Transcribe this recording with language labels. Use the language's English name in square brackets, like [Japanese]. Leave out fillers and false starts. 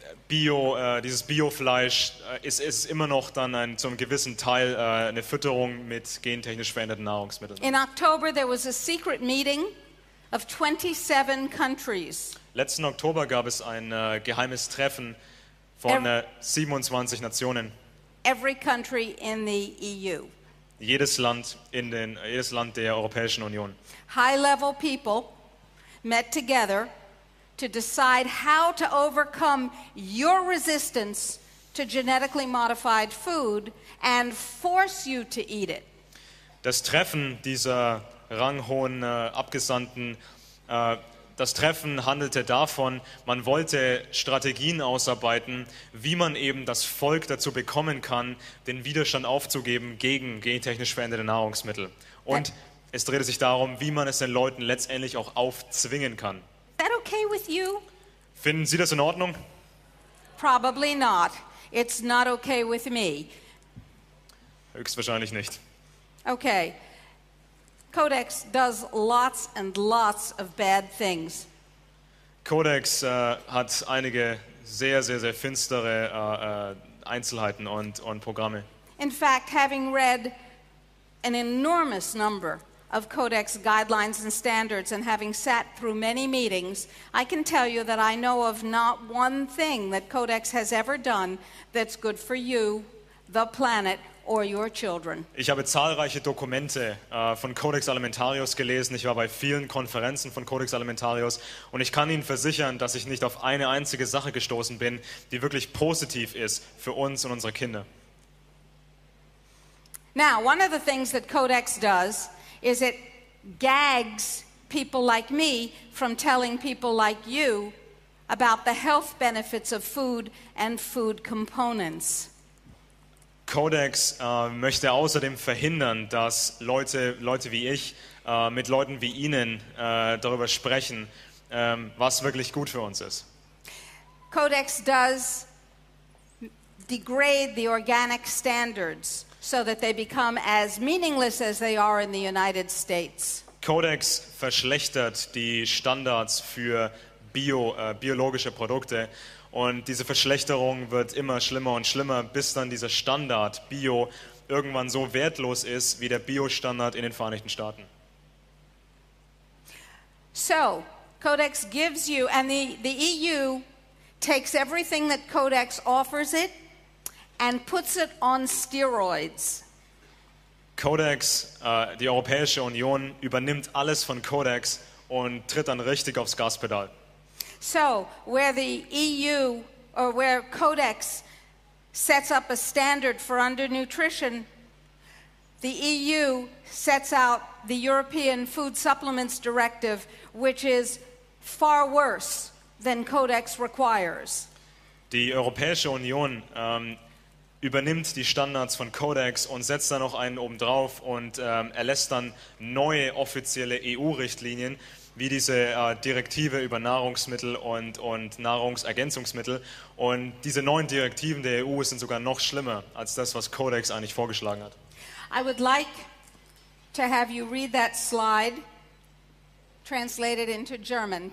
[German] Dieses Biofleisch ist immer noch dann zum gewissen Teil eine Fütterung mit gentechnisch veränderten Nahrungsmitteln. [English] In October there was a secret meeting of 27 countries. [German] Letzten Oktober gab es ein geheimes Treffen von 27 Nationen. [English] Every country in the EU. [German] Jedes Land der Europäischen Union. [English] High level people met together to decide how to overcome your resistance to genetically modified food and force you to eat it. [German] Das Treffen dieser ranghohen Abgesandten, das Treffen handelte davon, man wollte Strategien ausarbeiten, wie man eben das Volk dazu bekommen kann, den Widerstand aufzugeben gegen gentechnisch veränderte Nahrungsmittel. Und es drehte sich darum, wie man es den Leuten letztendlich auch aufzwingen kann. [English] Is that okay with you? [German] Finden Sie das in Ordnung? [English] Probably not. It's not okay with me. [German] Höchstwahrscheinlich nicht. [English] Okay. Codex does lots and lots of bad things. [German] Codex hat einige sehr, sehr, sehr finstere Einzelheiten und Programme. [English] In fact, having read an enormous number of Codex guidelines and standards and having sat through many meetings, I can tell you that I know of not one thing that Codex has ever done that's good for you, the planet, or your children. [German] Ich habe zahlreiche Dokumente von Codex Alimentarius gelesen. Ich war bei vielen Konferenzen von Codex Alimentarius und ich kann Ihnen versichern, dass ich nicht auf eine einzige Sache gestoßen bin, die wirklich positiv ist für uns und unsere Kinder. [English] Now, one of the things that Codex does is it gags people like me from telling people like you about the health benefits of food and food components. [German] Codex möchte außerdem verhindern, dass Leute wie ich mit Leuten wie Ihnen darüber sprechen, was wirklich gut für uns ist. [English] Codex does degrade the organic standards so that they become as meaningless as they are in the United States. [German] Codex verschlechtert die Standards für biologische Produkte. Und diese Verschlechterung wird immer schlimmer und schlimmer, bis dann dieser Standard Bio irgendwann so wertlos ist wie der Bio-Standard in den Vereinigten Staaten. [English] So, Codex gives you, and the EU takes everything that Codex offers it and puts it on steroids. [German] Codex, die Europäische Union, übernimmt alles von Codex und tritt dann richtig aufs Gaspedal. [English] So, where the EU or where Codex sets up a standard for undernutrition, the EU sets out the European Food Supplements Directive, which is far worse than Codex requires. [German] Die Europäische Union übernimmt die Standards von Codex und setzt da noch einen obendrauf und erlässt dann neue offizielle EU-Richtlinien, wie diese Direktive über Nahrungsmittel und Nahrungsergänzungsmittel. Und diese neuen Direktiven der EU sind sogar noch schlimmer als das, was Codex eigentlich vorgeschlagen hat. [English] I would like to have you read that slide translated into German.